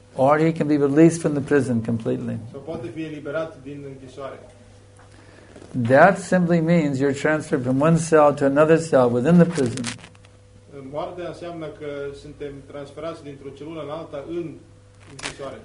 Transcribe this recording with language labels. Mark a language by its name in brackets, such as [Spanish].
[English] Or he can be released from the prison completely. [Romanian] Sau poate fi eliberat din închisoare. [English] That simply means you're transferred from one cell to another cell within the prison. [Romanian] Moartea înseamnă că suntem transferați dintr-o celulă în alta în închisoare.